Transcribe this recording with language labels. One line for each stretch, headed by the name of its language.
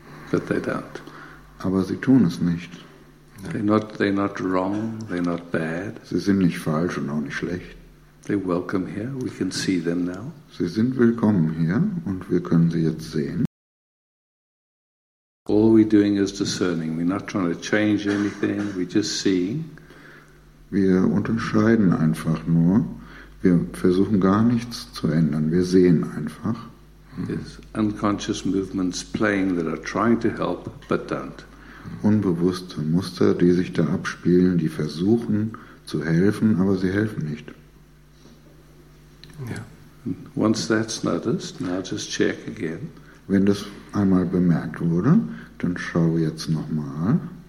English: But they don't.
German: Aber sie tun es nicht.
English: They're not wrong, they're not bad.
German: Sie sind nicht falsch und auch nicht schlecht.
English: They're welcome here, we can see them now.
German: Sie sind willkommen hier und wir können sie jetzt sehen.
English: All we're doing is discerning. We're not trying to change anything, we're just seeing.
German: Wir unterscheiden einfach nur. Wir versuchen gar nichts zu ändern. Wir sehen einfach.
English: There's unconscious movements playing that are trying to help, but don't.
German: Unbewusste Muster, die sich da abspielen, die versuchen zu helfen, aber sie helfen nicht.
English: Yeah. Once that's noticed, now just check again.
German: Wenn das einmal bemerkt wurde, dann schau jetzt nochmal.